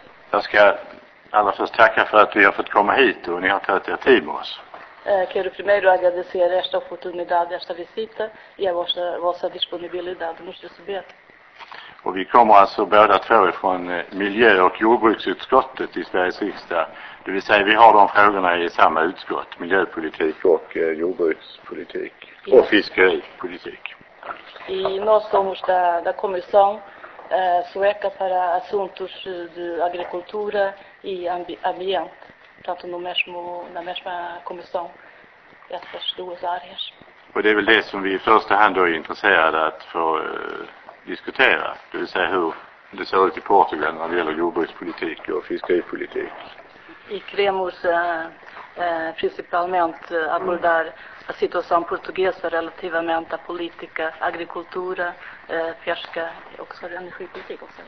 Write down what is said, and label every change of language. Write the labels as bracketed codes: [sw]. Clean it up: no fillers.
[sv] Jag ska allra först tacka för att vi har fått komma hit och ni har tagit er tid med oss. [pt] Quero primeiro agradecer esta oportunidade, esta visita e a vossa disponibilidade nos receber. [sv] Och vi kommer alltså båda två från miljö- och jordbruksutskottet i Sveriges riksdag. Det vill säga vi har de frågorna i samma utskott, miljöpolitik och jordbrukspolitik och fiskeripolitik. [pt] I nossomos da comissão sueca para assuntos de agricultura e ambiente, portanto na mesma comissão, essas duas áreas. [sv] Och det är väl det som vi i första hand är intresserade att få diskutera, det vill säga hur det ser ut i Portugal när det gäller jordbrukspolitik och fiskeripolitik. [pt] E queremos principalmente abordar a situação portuguesa relativamente à política, agricultura, pesca e [sv] också [pt] energipolitik.